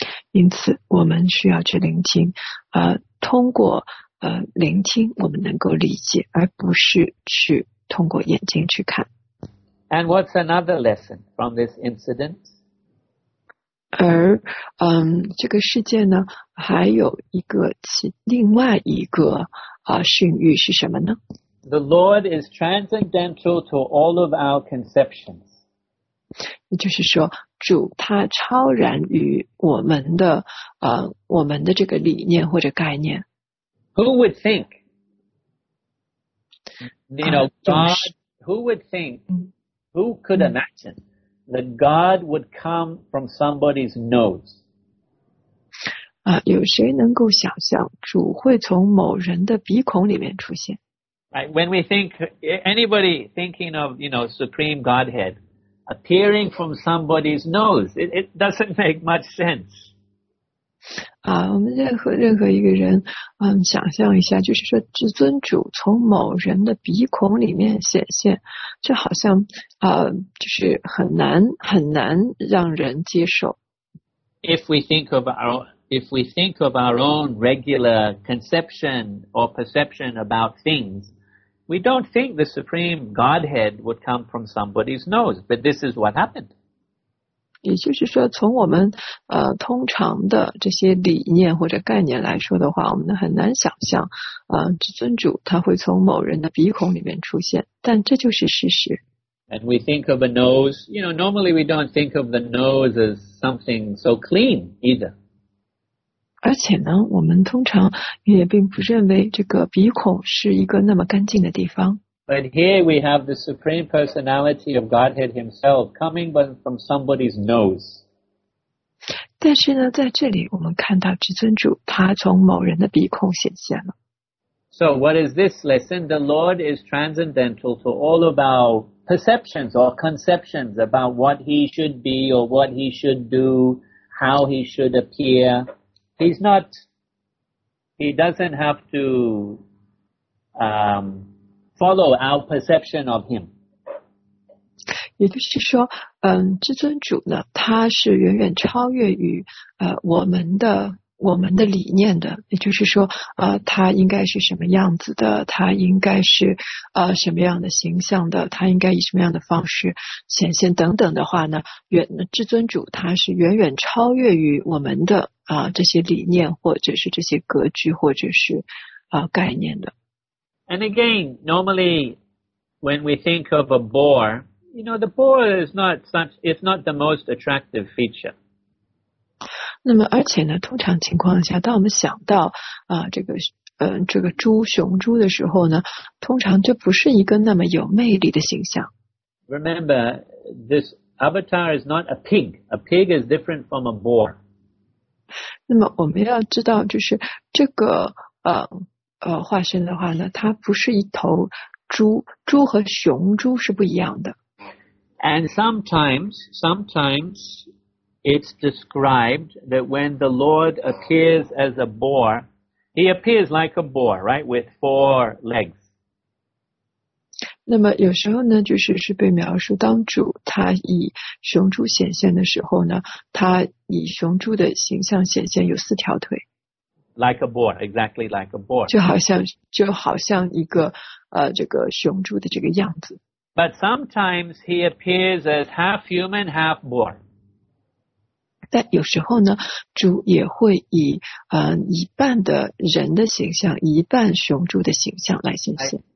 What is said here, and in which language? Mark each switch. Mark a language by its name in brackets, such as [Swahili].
[Chinese] 因此，我们需要去聆听。通过聆听，我们能够理解，而不是去通过眼睛去看。 [English] And what's another lesson from this incident? [Chinese] 而这个事件呢，还有一个另外一个训喻是什么呢？ [English] The Lord is transcendental to all of our conceptions. [Chinese] 也就是说，主他超然于我们的我们的这个理念或者概念。 [English] Who would think? You know, God, who would think, who could imagine that God would come from somebody's nose? [Chinese] 有谁能够想象主会从某人的鼻孔里面出现？ [English] When we think, anybody thinking of, you know, Supreme Godhead appearing from somebody's nose, it doesn't make much sense. [Chinese] 我们任何一个人想象一下，就是说至尊主从某人的鼻孔里面显现，这好像就是很难让人接受。 [English] If we think of our own regular conception or perception about things,We don't think the Supreme Godhead would come from somebody's nose, but this is what happened. [Chinese] 也就是说，从我们通常的这些理念或者概念来说的话，我们很难想象，至尊主他会从某人的鼻孔里面出现，但这就是事实。 [English] And we think of a nose, you know, normally we don't think of the nose as something so clean either. [Chinese] 而且呢，我们通常也并不认为这个鼻孔是一个那么干净的地方。 [English] But here we have the Supreme Personality of Godhead himself coming from somebody's nose. [Chinese] 但是呢，在这里我们看到至尊主他从某人的鼻孔显现了。 [English] So what is this lesson? The Lord is transcendental to all of our perceptions or conceptions about what he should be or what he should do, how he should appear. He doesn't have to follow our perception of him. [Chinese] 也就是说，至尊主呢，他是远远超越于我们的理念的。也就是说，他应该是什么样子的？他应该是什么样的形象的？他应该以什么样的方式显现等等的话呢？至尊主他是远远超越于我们的。这些理念或者是这些格局或者是概念的。 [English] And again, normally when we think of a boar, you know, the boar is not such, it's not the most attractive feature. [Chinese] 那么而且呢，通常情况下，当我们想到这个雄猪的时候呢，通常这不是一个那么有魅力的形象。 [English] Remember, this avatar is not a pig. A pig is different from a boar. [Chinese] 那么我们要知道，就是这个化身的话呢，它不是一头猪，猪和雄猪是不一样的。 [English] And sometimes it's described that when the Lord appears as a boar, he appears like a boar, right, with four legs. [Chinese] 那么有时候呢，就是被描述当主他以雄猪显现的时候呢，他。以雄猪的形象显现，有四条腿。 [English] Like a boar, exactly like a boar. [Chinese] 就好像一个这个雄猪的这个样子。 [English] But sometimes he appears as half human, half boar. [Chinese] 但有时候呢主也会以一半的人的形象一半雄猪的形象来显现